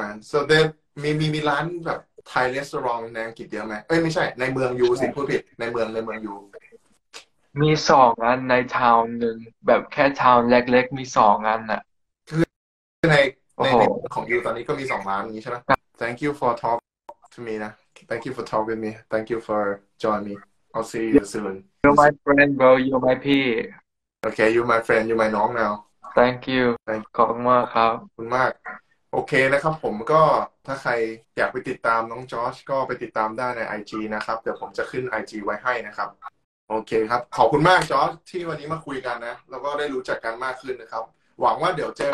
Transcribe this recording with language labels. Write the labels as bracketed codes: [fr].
[en] so then [th] มีร้านแบบไทยรีสอร์ทในอังกฤษเยอะไหมเอ้ยไม่ใช่ในเมืองยูสิพูดผิดในเมืองยู มีสองอันในทาวน์หนึ่งแบบแค่ทาวน์เล็กๆมีสองอันอ่ะือใน โอ้โห ในมือของยูตอนนี้ก็มี2 ล้านอย่างนี้ใช่ไหม [en] Thank you for talk to me นะ Thank you for talk with me Thank you for join me I'll see you soon You're my friend bro You're my พี่ Okay you my friend you my น้อง now Thank you Thank [th] ขอบคุณมากครับ คุณมากโอเคนะครับผมก็ถ้าใครอยากไปติดตามน้องจอชก็ไปติดตามได้ใน IG นะครับเดี๋ยวผมจะขึ้น IG ไว้ให้นะครับโอเคครับขอบคุณมากจอชที่วันนี้มาคุยกันนะแล้วก็ได้รู้จักกันมากขึ้นนะครับหวังว่าเดี๋ยวเจอ